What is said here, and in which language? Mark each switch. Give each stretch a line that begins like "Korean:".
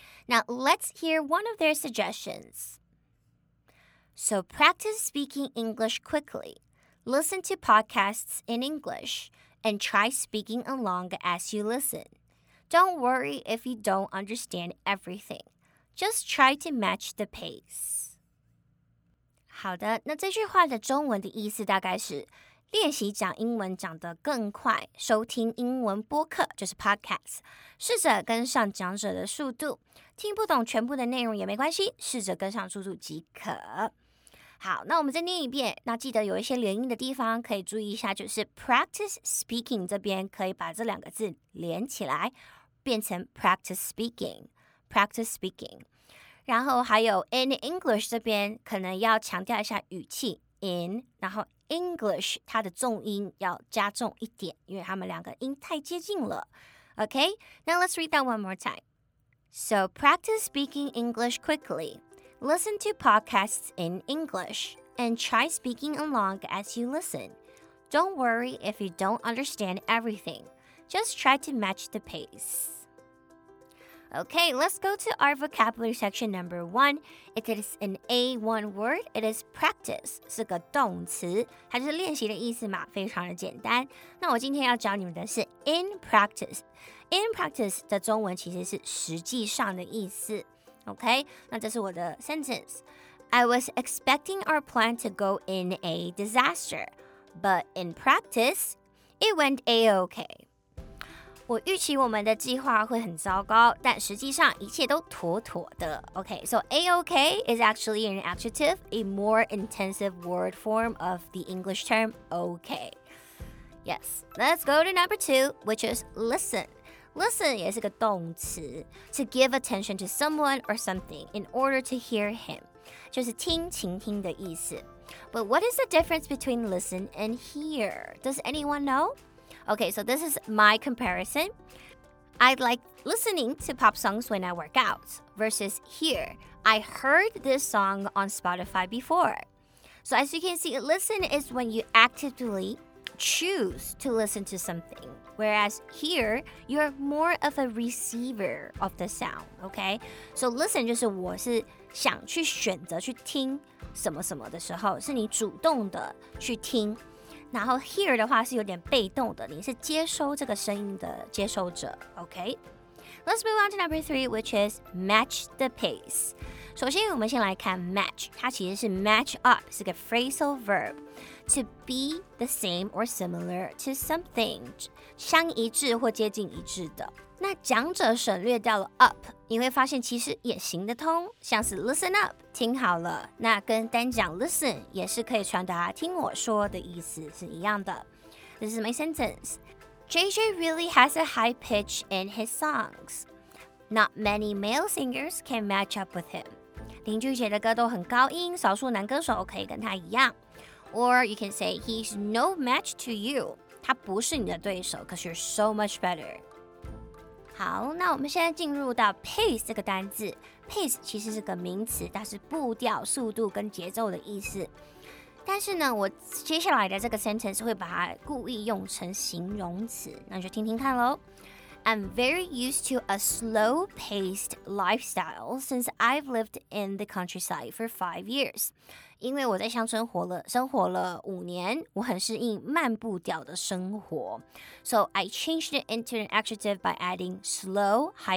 English: Now, let's hear one of their suggestions. So, practice speaking English quickly. Listen to podcasts in English and try speaking along as you listen. Don't worry if you don't understand everything. Just try to match the pace.
Chinese: 好的，那这句话的中文的意思大概是练习讲英文讲得更快，收听英文播客就是 podcast， 试着跟上讲者的速度，听不懂全部的内容也没关系，试着跟上速度即可。好，那我们再念一遍，那记得有一些连音的地方可以注意一下，就是 practice speaking 这边可以把这两个字连起来，变成 practice speaking。
English: Practice speaking，
Chinese: 然后还有 in English 这边可能要强调一下语气 in， 然后 English 它的重音要加重一点，因为它们两个音太接近了。
English: Okay, now let's read that one more time. So practice speaking English quickly. Listen to podcasts in English and try speaking along as you listen. Don't worry if you don't understand everything. Just try to match the pace. Okay, let's go to our vocabulary section number 1. It is an A1 word. It is practice.
Chinese: 是个动词，它就是练习的意思嘛，非常的简单。那我今天要教你们的是 in practice. In practice 的中文其实是实际上的意思。 Okay, 那这是我的 sentence.
English: I was expecting our plan to go in a disaster, but in practice, it went A-okay.
Chinese: 我预期我们的计划会很糟糕，但实际上一切都妥妥的。
English: Okay, so A-OK is actually an adjective, a more intensive word form of the English term OK. Yes, let's go to number 2, which is listen. Listen
Chinese: 也是个动词，
English: to give attention to someone or something in order to hear him.
Chinese: 就是听倾听的意思。
English: But what is the difference between listen and hear? Does anyone know? Okay, so this is my comparison. I like listening to pop songs when I work out versus hear. I heard this song on Spotify before. So as you can see, listen is when you actively choose to listen to something. Whereas hear, you're more of a receiver of the sound, okay?
Chinese: So listen 就是我是想去选择去听什么什么的时候，是你主动的去听。然后 hear 的话是有点被动的，你是接收这个声音的接收者。
English: OK, let's move on to number 3, which is match the pace.
Chinese: 首先我们先来看 match, 它其实是 match up, 是个 phrasal verb,
English: to be the same or similar to something,
Chinese: 相一致或接近一致的。那讲者省略掉了 up, 你会发现其实也行得通，像是 listen up, 听好了，那跟单讲 listen 也是可以传达听我说的意思是一样的。
English: This is my sentence. JJ really has a high pitch in his songs, Not many male singers can match up with him.
Chinese: 林俊杰的歌都很高音，少数男歌手可以跟他一样。
English: Or you can say, he's no match to you.
Chinese: 他不是你的对手
English: because you're so much better.
Chinese: 好，那我们现在进入到 pace 这个单字。Pace 其实是个名词，它是步调、速度跟节奏的意思。但是呢，我接下来的这个 sentence 会把它故意用成形容词，那就听听看咯。
English: I'm very used to a slow-paced lifestyle since I've lived in the countryside for 5 years.
Chinese: 因为我在乡村生活了5年，我很适应慢步调的生活。
English: So I changed it into an adjective by adding slow-paced.